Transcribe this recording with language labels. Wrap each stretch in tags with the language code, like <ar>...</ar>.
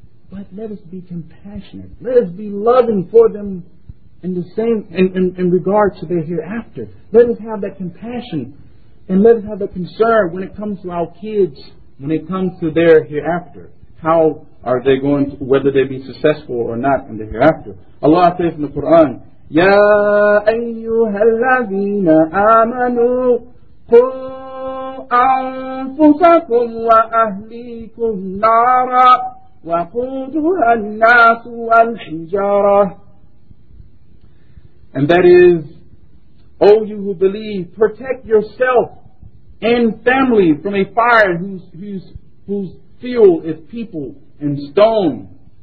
<en>But let us be compassionate. Let us be loving for them in the same in regard to their hereafter. Let us have that compassion and let us have that concern when it comes to our kids, when it comes to their hereafter. How are they going to, whether they be successful or not in the hereafter? Allah says in the Quran,</en> <ar>يا أيها الذين آمنوا قوا أنفسكم وأهليكم نارا وقودها الناس والحجارة.</ar> <en>And that is, O you who believe, protect yourself and family from a fire whose fuel is people and stone.</en>